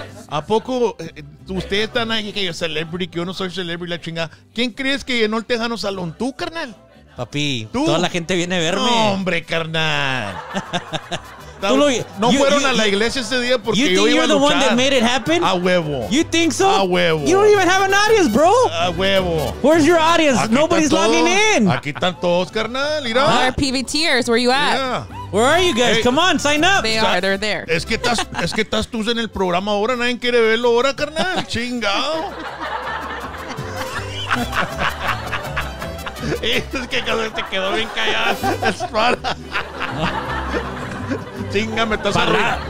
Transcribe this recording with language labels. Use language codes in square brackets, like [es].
[es] ¿A poco ustedes están ahí que yo celebrity, que yo no soy celebrity, la chingada? ¿Quién crees que llenó el Tejano Salón? ¿Tú, carnal? Papi, ¿tú? Toda la gente viene a verme. No, hombre, carnal. No fueron a la iglesia ese día porque yo iba a luchar. [en] You think you're the one that made it happen? [es] A huevo. [en] You think so? [es] A huevo. [en] You don't even have an audience, bro. [es] A huevo. [en] Where's your audience? Aquí nobody's logging in. [es] Aquí están todos, carnal. Mira. [en] Our PVTers, where you at? Yeah. Where are you guys? Hey, come on, sign up. They are. They're there. [es] Es que estás tú en el programa ahora. Nadie quiere verlo ahora, carnal. Chingao. Es que te quedó bien callado. Chinga, me estás arruinando.